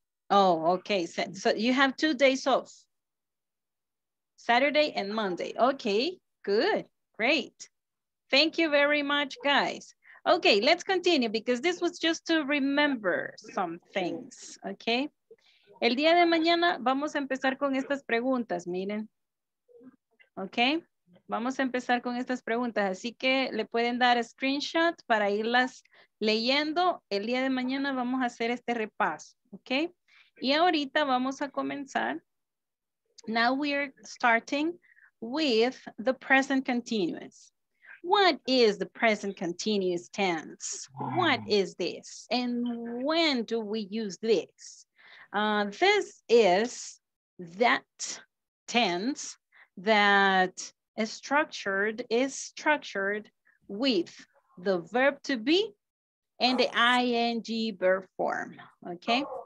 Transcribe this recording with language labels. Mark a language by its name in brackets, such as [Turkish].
[English] Oh, okay. So you have 2 days off. Saturday and Monday. Okay, good. Great. Thank you very much, guys. Okay, let's continue because this was just to remember some things, okay? [Spanish] El día de mañana vamos a empezar con estas preguntas, miren. Okay, vamos a empezar con estas preguntas. Así que le pueden dar screenshot para irlas leyendo. El día de mañana vamos a hacer este repaso, okay? Y ahorita vamos a comenzar. [English] Now we are starting with the present continuous. What is the present continuous tense? What is this? And when do we use this? This is that tense that is structured with the verb to be and the ing verb form, okay?